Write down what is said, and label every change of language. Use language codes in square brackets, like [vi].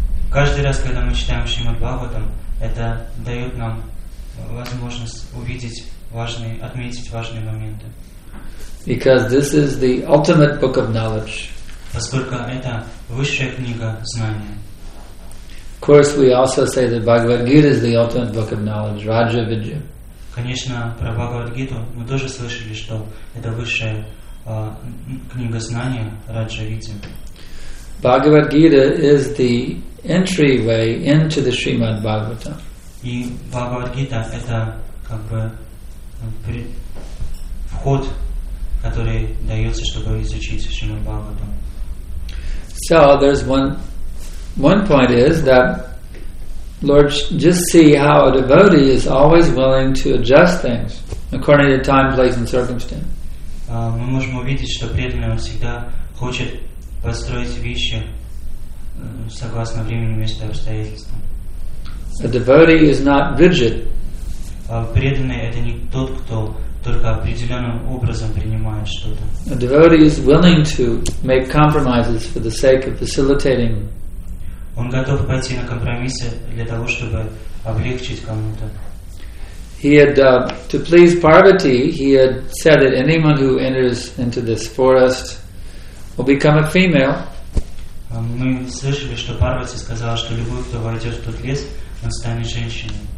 [ru] Каждый раз, когда мы читаем Шримад Бхагаватам, это дает нам возможность увидеть важные, отметить важные моменты. [en] Because this is the ultimate book of knowledge. [ru] Поскольку это высшая книга знания. [en] Of course, we also say that Bhagavad Gita is the ultimate book of knowledge, Raja Vidya. [ru] Конечно, про Бхагавад Гиту мы тоже слышали, что это высшая книга знания, Раджа Видья. [en] Bhagavad Gita is the entryway into the Srimad Bhagavatam. [ru] И Бхагавад Гита это как бы вход, который дается, чтобы изучить Шримад Бхагаватам. [en] So there's one point is that Lord, just see how a devotee is always willing to adjust things according to time, place, and circumstance. [ru] Мы можем увидеть, что преданный всегда хочет построить вещи согласно времени, месту и обстоятельствам. [en] A devotee is not rigid. [ru] Преданный это не тот, кто только определенным образом принимает что-то. [en] A devotee is willing to make compromises for the sake of facilitating. [ru] Он готов пойти на компромиссы для того, чтобы облегчить кому-то. [en] He had, to please Parvati, he had said that anyone who enters into this forest will become a female. [ru] Мы слышали, что Парвати сказала, что любой, кто войдет в тот лес, он станет женщиной.